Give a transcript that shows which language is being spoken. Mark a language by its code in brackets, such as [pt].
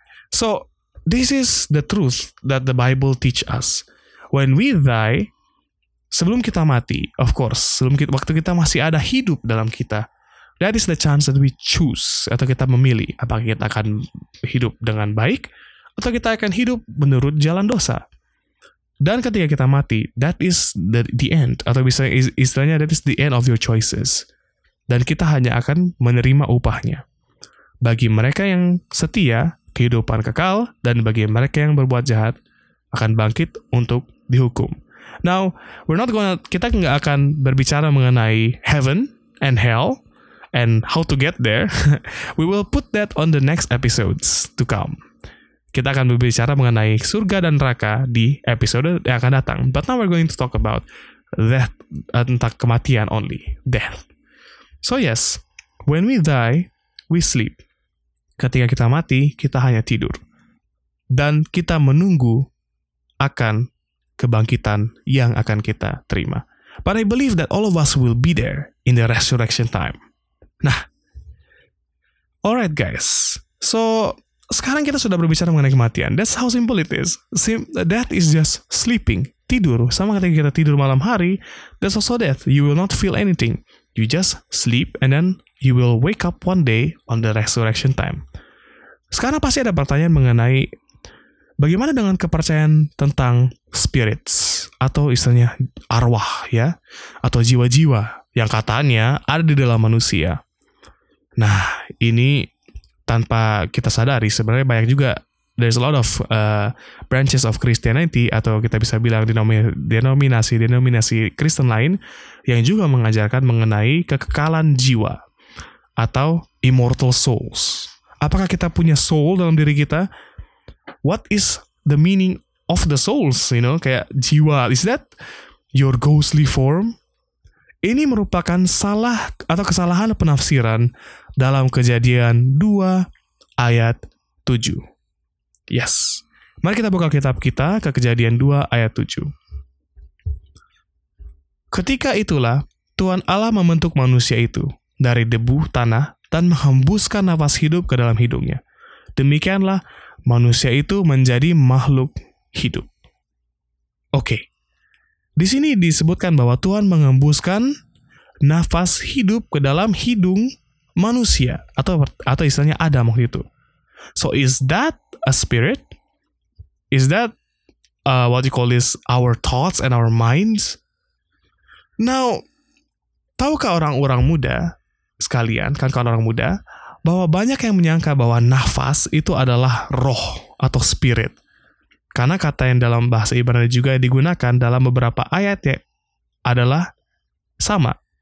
[en] So, this is the truth that the Bible teach us. When we die, [id] sebelum kita mati, [en] of course, [id] waktu kita masih ada hidup dalam kita, [en] that is the chance that we choose, [id] atau kita memilih, apakah kita akan hidup dengan baik, atau kita akan hidup menurut jalan dosa. Dan ketika kita mati, [en] that is the end, [id] atau misalnya istilahnya, [en] that is the end of your choices. [id] Dan kita hanya akan menerima upahnya. Bagi mereka yang setia, kehidupan kekal, dan bagi mereka yang berbuat jahat, akan bangkit untuk dihukum. Now, kita nggak akan berbicara mengenai [en] heaven and hell and how to get there. We will put that on the next episodes to come. [id] Kita akan berbicara mengenai surga dan neraka di episode yang akan datang. [en] But now we're going to talk about death, [id] tentang kematian [en] only, death. So yes, when we die, we sleep. [id] Ketika kita mati, kita hanya tidur. Dan kita menunggu akan kebangkitan yang akan kita terima. [en] but I believe that all of us will be there in the resurrection time. Nah, alright guys, so [id] sekarang kita sudah berbicara mengenai kematian. [en] That's how simple it is. Death is just sleeping, tidur. [id] Sama ketika kita tidur malam hari, [en] that's also death. You will not feel anything. You just sleep and then you will wake up one day on the resurrection time. [id] Sekarang pasti ada pertanyaan mengenai bagaimana dengan kepercayaan tentang spirits atau istilahnya arwah ya, atau jiwa-jiwa yang katanya ada di dalam manusia. Nah, ini tanpa kita sadari sebenarnya banyak juga, [en] there's a lot of branches of Christianity [id] atau kita bisa bilang denominasi Kristen lain yang juga mengajarkan mengenai kekekalan jiwa atau immortal souls. Apakah kita punya soul dalam diri kita? [en] What is the meaning of the souls, you know, [id] kayak jiwa, [en] is that your ghostly form? [id] Ini merupakan salah atau kesalahan penafsiran dalam Kejadian 2 ayat 7. Yes. Mari kita buka kitab kita ke Kejadian 2 ayat 7. Ketika itulah Tuhan Allah membentuk manusia itu dari debu tanah dan menghembuskan nafas hidup ke dalam hidungnya. Demikianlah manusia itu menjadi makhluk hidup. Oke. Di sini disebutkan bahwa Tuhan menghembuskan nafas hidup ke dalam hidung manusia atau istilahnya Adam waktu itu. [en] So is that a spirit? Is that what you call this, our thoughts and our minds? [id] Now, tahukah orang-orang muda sekalian, kan orang muda, bahwa banyak yang menyangka bahwa nafas itu adalah roh atau spirit. Karena kata yang dalam bahasa Ibrani juga digunakan dalam beberapa ayat ya adalah sama.